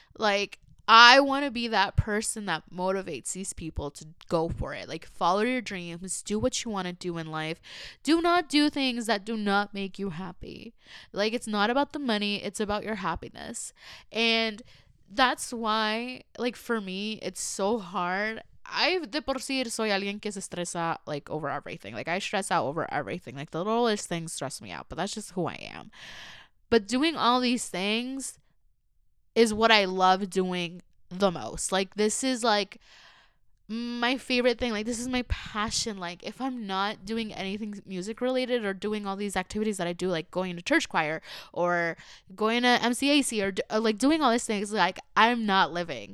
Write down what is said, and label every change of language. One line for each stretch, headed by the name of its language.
English: Like, I want to be that person that motivates these people to go for it. Like, follow your dreams, do what you want to do in life. Do not do things that do not make you happy. Like, it's not about the money, it's about your happiness. And that's why, like, for me, it's so hard.
Spanish: I, de por sí, soy alguien que se estresa,
English: like, over everything. Like, I stress out over everything. Like, the littlest things stress me out, but that's just who I am. But doing all these things is what I love doing the most. Like, this is, like, my favorite thing. Like, this is my passion. Like, if I'm not doing anything music related or doing all these activities that I do, like going to church choir or going to MCAC or like doing all these things, like, I'm not living.